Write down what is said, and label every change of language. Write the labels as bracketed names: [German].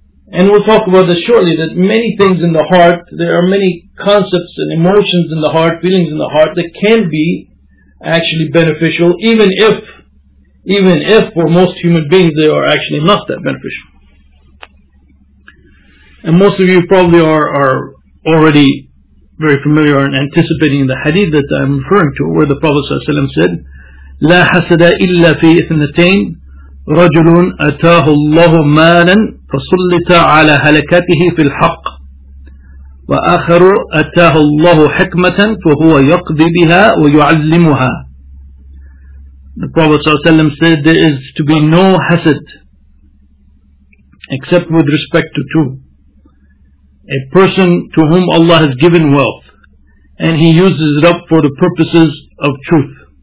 [English] And we'll talk about this shortly, that many things in the heart, there are many concepts and emotions in the heart, feelings in the heart, that can be actually beneficial, even if for most human beings they are actually not that beneficial. And most of you probably are already very familiar and anticipating the hadith that I'm referring to, where the Prophet ﷺ said, [Arabic] لا حسد إلا في إثنتين رجل أتاه الله مالا فسلط على هلكته في الحق وآخر أتاه الله حكمة فهو يقضي بها ويعلمها. [English] The Prophet ﷺ said, there is to be no hasad except with respect to two. A person to whom Allah has given wealth and he uses it up for the purposes of truth.